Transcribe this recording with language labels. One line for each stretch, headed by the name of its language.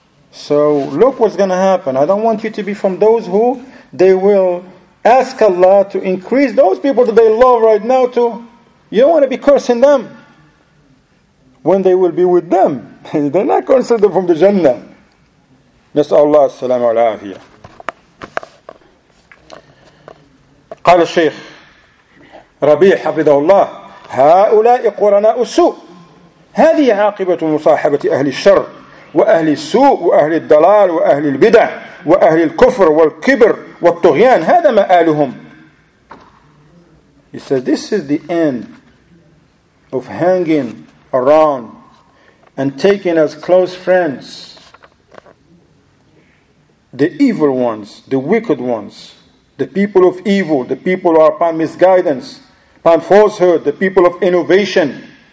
English: So look what's going to happen. I don't want you to be from those who they will ask Allah to increase those people that they love right now to. You don't want to be cursing them when they will be with them. They're not cursing them from the Jannah.
Arabic: نسأل الله السلام والعافية. قال الشيخ ربيع حفظه الله: هؤلاء قرناء السوء. هذه عاقبة مصاحبة أهل الشر وأهل السوء وأهل الضلال وأهل البدع وأهل الكفر والكبر والطغيان. هذا مآلهم.
English: He says this is the end of hanging around and taking as close friends the evil ones, the wicked ones, the people of evil, the people who are upon misguidance, upon falsehood, the people of innovation.